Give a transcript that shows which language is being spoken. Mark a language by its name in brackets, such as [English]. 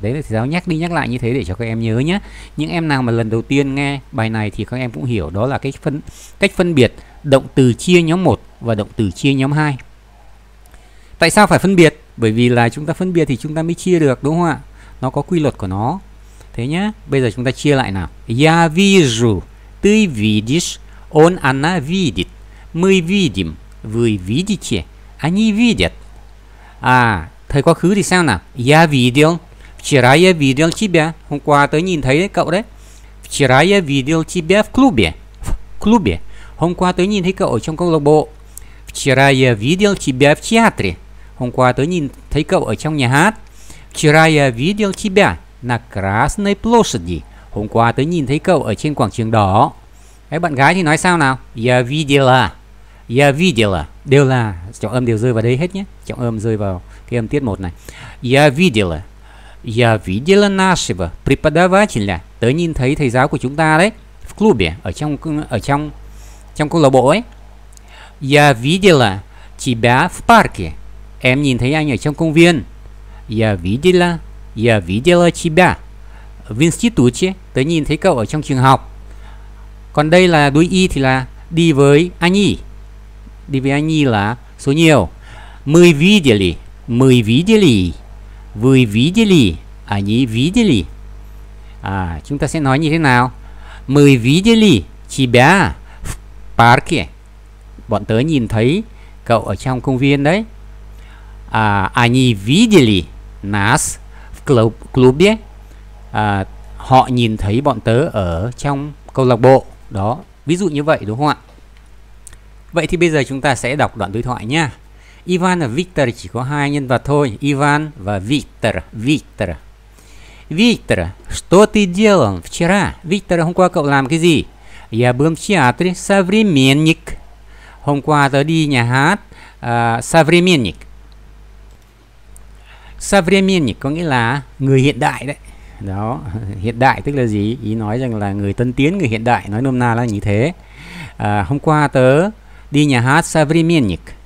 [Vietnamese] Đấy là thầy giáo nhắc đi nhắc lại như thế để cho các em nhớ nhé. Những em nào mà lần đầu tiên nghe bài này thì các em cũng hiểu đó là cách phân biệt động từ chia nhóm 1 và động từ chia nhóm 2. Tại sao phải phân biệt? Bởi vì là chúng ta phân biệt thì chúng ta mới chia được, đúng không ạ? Nó có quy luật của nó. Thế nhé, bây giờ chúng ta chia lại nào. [Russian] Я вижу, ты видишь, он, она видит, мы видим, вы видите, они видят. [Vietnamese] À, thời quá khứ thì sao nào? [Russian] Я видел. Вчера я видел тебя. [Vietnamese] Hôm qua tớ nhìn thấy đấy, cậu đấy. [Russian] Вчера я видел тебя в клубе. В клубе. [Vietnamese] Hôm qua tớ nhìn thấy cậu ở trong câu lạc bộ. [Russian] Вчера я видел тебя в театре. [Vietnamese] Hôm qua tớ nhìn thấy cậu ở trong nhà hát. [Russian] Вчера я видел тебя на Красной площади. [Vietnamese] Hôm qua tớ nhìn thấy cậu ở trên quảng trường đỏ. Đấy, bạn gái thì nói sao nào? [Russian] Я видела. Я видела. [Vietnamese] Đều là trọng âm đều rơi vào đây hết nhé. Trọng âm rơi vào cái âm tiết 1 này. [Russian] Я видела. Я видела нашего преподавателя. [Vietnamese] Tớ nhìn thấy thầy giáo của chúng ta đấy. [Russian] В клубе. [Vietnamese] Ở trong câu lạc bộ ấy. [Russian] Я видела тебя в парке. [Vietnamese] Em nhìn thấy anh ở trong công viên. [Russian] Я видела тебя в институте. [Vietnamese] Tớ nhìn thấy cậu ở trong trường học. Còn đây là đuôi y thì là đi với anh y. Đi với anh y là Số nhiều. [Russian] Мы видели. Вы видели. Они видели. [Vietnamese] À, chúng ta sẽ nói như thế nào? [Russian] Мы видели тебя в парке. [Vietnamese] Bọn tớ nhìn thấy cậu ở trong công viên đấy. [Russian] À, они видели нас в клубе. [Vietnamese] À, họ nhìn thấy bọn tớ ở trong câu lạc bộ. Đó, ví dụ như vậy đúng không ạ? Vậy thì bây giờ chúng ta sẽ đọc đoạn đối thoại nha. Ivan và Victor chỉ có hai nhân vật thôi. Ivan và Victor. Victor. [Russian] Victor, что ты делал вчера? [Vietnamese] Victor, hôm qua cậu làm cái gì? [Russian] Я был в театре современник. [Vietnamese] Hôm qua tớ đi nhà hát современник. Современник có nghĩa là người hiện đại đấy. Đó, hiện đại tức là gì? Ý nói rằng là người tân tiến, người hiện đại. Nói nôm na là như thế. Hôm qua tớ đi nhà hát современник.